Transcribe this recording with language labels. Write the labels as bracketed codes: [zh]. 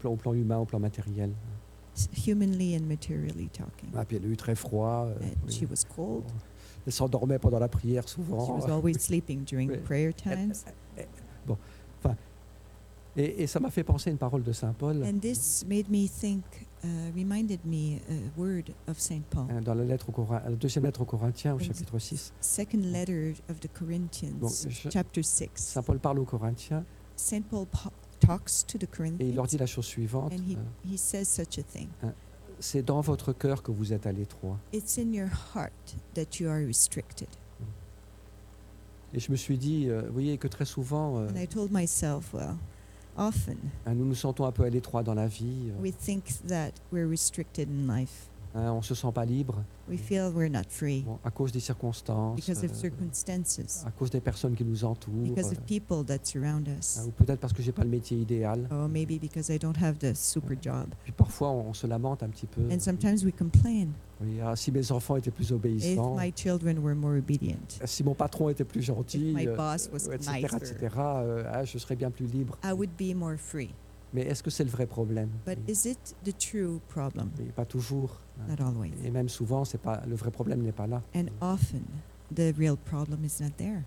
[fr] Au plan humain, au plan matériel. [en] Humanly and materially talking. [fr] Ah, puis elle a eu très froid. [en] She was cold. [fr] Elle s'endormait pendant la prière souvent. [en] She was always sleeping during prayer times. [fr] Bon, enfin, et ça m'a fait penser à une parole de Saint Paul. [en] And this made me think, reminded me a word of Saint Paul. [fr] Dans la deuxième lettre aux Corinthiens, au chapitre 6. [en] Second letter of the Corinthians, chapter 6. [fr] Saint Paul parle aux Corinthiens. [en] Saint Paul talks to the Corinthians. [fr] Et il leur dit la chose suivante. [en] And he says such a thing. [fr] C'est dans votre cœur que vous êtes à l'étroit. [en] It's in your heart that you are restricted. [fr] Et je me suis dit, vous voyez, que très souvent, [en] and I told myself, well, often, [fr] nous nous sentons un peu à l'étroit dans la vie. [en] We think that we're restricted in life. [fr] On se sent pas libre. [en] We feel we're not free. [fr] Bon, à cause des circonstances. [en] Because of circumstances. [fr] À cause des personnes qui nous entourent. [en] Because of people that surround us. [fr] Ou peut-être parce que j'ai pas le métier idéal. [en] Oh, maybe because I don't have the super job. [fr] Puis parfois on se lamente un petit peu. [en] And sometimes we complain. [fr] Oui, ah, si mes enfants étaient plus obéissants. [en] If my children were more obedient. [fr] Si mon patron était plus gentil. [en] If my boss was nicer. [fr] Etc. Je serais bien plus libre. [en] I would be more free. [fr] Mais est-ce que c'est le vrai problème? [en] But is it the true problem? [fr] Oui, pas toujours. [en] Not always. [fr] Et même souvent, le vrai problème n'est pas là. [en] And often, the real problem is not there.